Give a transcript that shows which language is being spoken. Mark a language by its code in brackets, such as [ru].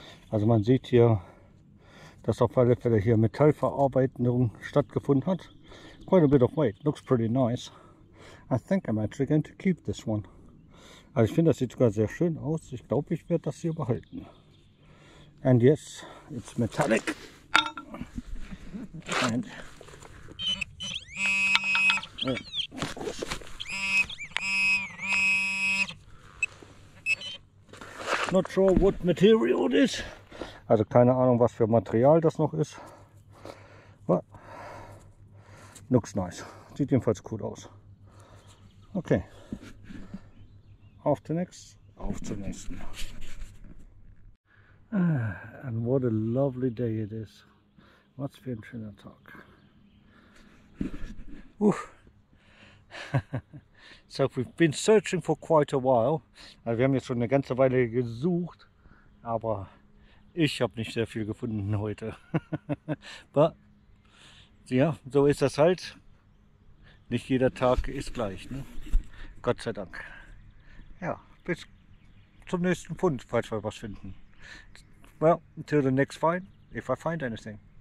[de] Also man sieht hier, dass auf alle Fälle hier Metallverarbeitung stattgefunden hat. [en] Quite a bit of weight. Looks pretty nice. I think I'm actually going to keep this one. [de] Also ich finde, das sieht sogar sehr schön aus. Ich glaube, ich werde das hier behalten. [en] And yes, it's metallic. And not sure what material it is. [de] Also keine Ahnung, was für Material das noch ist. [en] But looks nice. [de] Sieht jedenfalls cool aus. Okay. Auf zum nächsten. [en] And what a lovely day it is. [de] Was für ein schöner Tag. [en] So we've been searching for quite a while. [de] Also wir haben jetzt schon eine ganze Weile gesucht, aber ich habe nicht sehr viel gefunden heute. But ja, so ist das halt. Nicht jeder Tag ist gleich, ne? Gott sei Dank. Ja, bis zum nächsten Fund, falls wir was finden. [en] Well, until the next find, if I find anything.